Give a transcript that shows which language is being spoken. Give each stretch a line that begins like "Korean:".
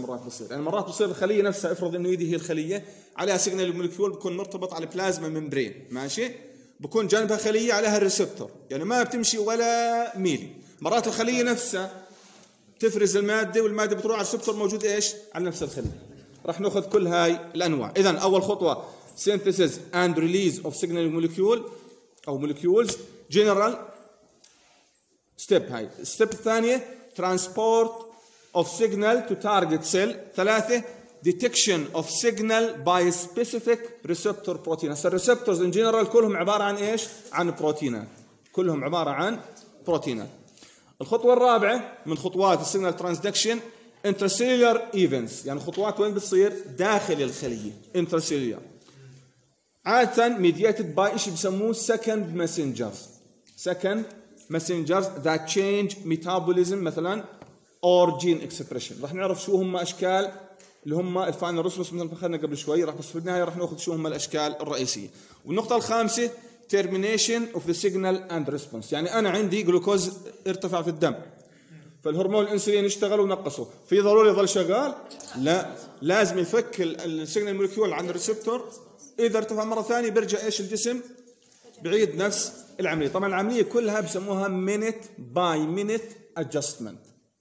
Arabic: مرات بصير يعني مرات بصير الخلية نفسها، افرض انه يدي هي الخلية عليها سيجنال مولكيول، بكون مرتبط على بلازما ممبرين ماشي، بكون جنبها خلية عليها الريسبتور، يعني ما بتمشي ولا ميلي. مرات الخلية نفسها تفرز المادة والمادة بتروح على السبتر موجود إيش على نفس الخلية. رح نأخذ كل هاي الأنواع. إذن أول خطوة
English: synthesis and release of signal molecule أو molecules general step. هاي step الثانية transport of signal to target cell. ثلاثة detection of signal by specific receptor protein.
Arabic: هسا
English: receptors in general
Arabic: كلهم عبارة عن إيش؟ عن بروتينات، كلهم عبارة عن بروتينات. الخطوة الرابعة من خطوات السيجنال ترانسدكشن انترسيلير ايفنتس، يعني خطوات وين بتصير؟ داخل الخلية انترسيلير، عادة
English: mediated by
Arabic: ايش بسموه سكند مسنجرز، سكند مسنجرز ذات تشينج ميتابوليزم مثلا اور جين اكسبريشن. راح نعرف شو هم اشكال اللي هم الفاينل ريسبونس مثل ما اخذنا قبل شوي، راح بس في النهاية راح ناخذ شو هم الاشكال الرئيسية. والنقطة الخامسة
English: termination of the signal and response.
Arabic: يعني أنا عندي جلوكوز ارتفع في الدم، فالهرمون الإنسولين اشتغل ونقصه، في ضروري يظل شغال؟ لا، لازم يفك السيجنال مولكيول عن الريسبتور. إذا ارتفع مرة ثانية برجع إيش الجسم بعيد نفس العملية. طبعا العملية كلها بسموها
English: minute by minute adjustment.